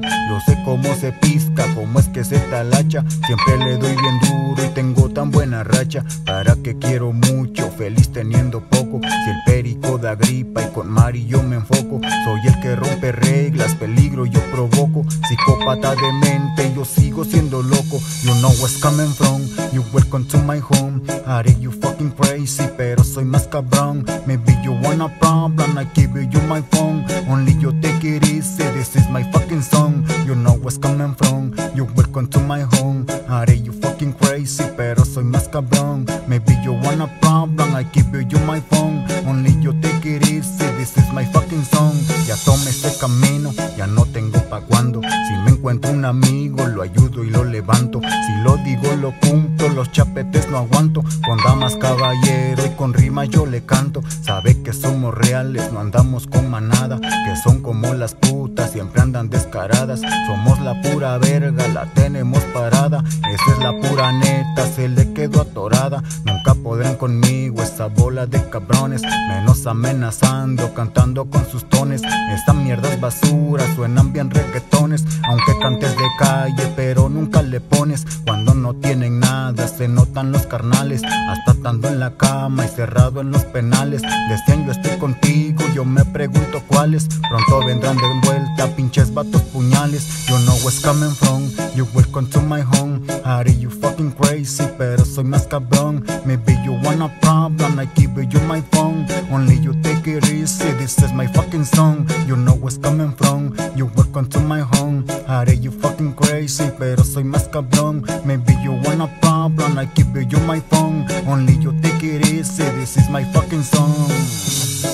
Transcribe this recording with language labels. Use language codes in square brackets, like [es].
[es] Yo sé cómo se pisca, cómo es que se talacha. Siempre le doy bien duro y tengo tan buena racha. ¿Para qué quiero mucho, feliz teniendo poco? Si el perico da gripa y con Mari yo me enfoco. Soy el que rompe reglas, peligro yo provoco. Psicópata de mente, yo sigo siendo loco. [en] You know where's coming from, you welcome to my home. Are you fucking crazy, [es] pero soy más cabrón. [en] Maybe you want a problem, I give you my phone. Only you take it easy, this is my fucking song. You know where's coming from, you welcome to my home. Are you fucking crazy, [es] pero soy más cabrón. [en] Maybe you want a problem, I give you my phone. Only you take it easy, this is my fucking song. [es] Ya tomé ese camino, ya no tengo pa' cuando. Si me encuentro un amigo, lo ayudo y lo levanto. Si lo digo, lo cumplo, los chapetes no aguanto. Con damas caballero y con rimas yo le canto. Sabe que somos reales, no andamos con manada. Que son como las putas, siempre andan descaradas. Somos la pura verga, la tenemos parada. Esa es la pura neta, se le quedó atorada. Nunca podrán conmigo, esa bola de cabrones. Menos amenazando, cantando con sus tones. Esta mierda es basura, suenan bien reggaetones. Aunque cantes de calle, pero nunca le pones. Cuando no tienen nada, se notan los carnales. Hasta estando en la cama y cerrado en los penales. Decían yo estoy contigo, yo me pregunto cuáles. Pronto vendrán de vuelta, pinches vatos puñales. [en] You know where's coming from, you welcome to my home. Are you fucking crazy, [es] pero soy más cabrón. [en] Maybe you want a problem, I give you my phone. Only you take it easy, this is my fucking song. You know where's coming from, you welcome to my home. Are you fucking crazy, [es] pero soy más cabrón. [en] Maybe you want a problem, I give you my phone. Only you take it easy, this is my fucking song.